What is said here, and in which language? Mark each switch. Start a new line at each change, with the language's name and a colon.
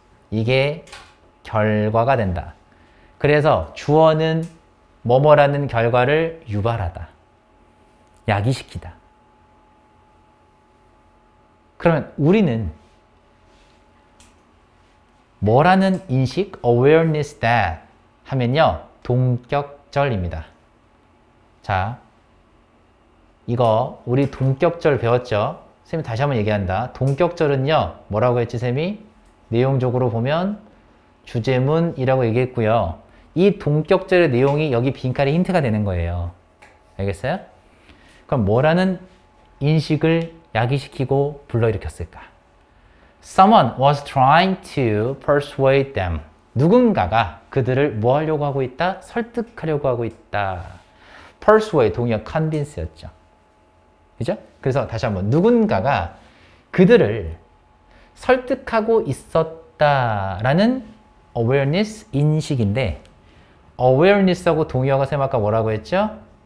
Korean: 이게 결과가 된다. 그래서 주어는 뭐뭐라는 결과를 유발하다. 야기시키다. 그러면 우리는 뭐라는 인식?
English: awareness that
Korean: 하면요. 동격절입니다. 자. 이거 우리 동격절 배웠죠? 쌤이 다시 한번 얘기한다. 동격절은요, 뭐라고 했지, 쌤이? 내용적으로 보면 주제문이라고 얘기했고요. 이 동격절의 내용이 여기 빈칸에 힌트가 되는 거예요. 알겠어요? 그럼 뭐라는 인식을 야기시키고 불러일으켰을까?
English: Someone was trying to persuade them.
Korean: 누군가가 그들을 뭐 하려고 하고 있다? 설득하려고 하고 있다. Persuade 동의어 convince였죠. 그죠? 그래서 다시 한번 누군가가 그들을 설득하고 있었다라는 awareness 인식인데 awareness하고 동의어가 쌤 아까 뭐라고 했죠?